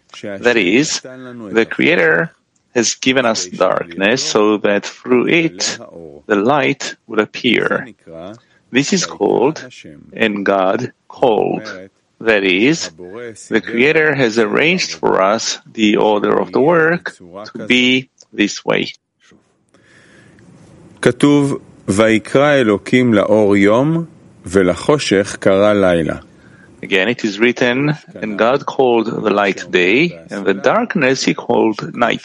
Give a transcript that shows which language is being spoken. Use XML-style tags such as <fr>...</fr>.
<en>That is, the Creator has given us darkness so that through it the light would appear. This is called, and God called. That is, the Creator has arranged for us the order of the work to be this way.</en> <he>כתוב, ויקרא אלוקים לאור יום ולחושך קרא לילה.</he> <en>Again, it is written, and God called the light day, and the darkness he called night.</en>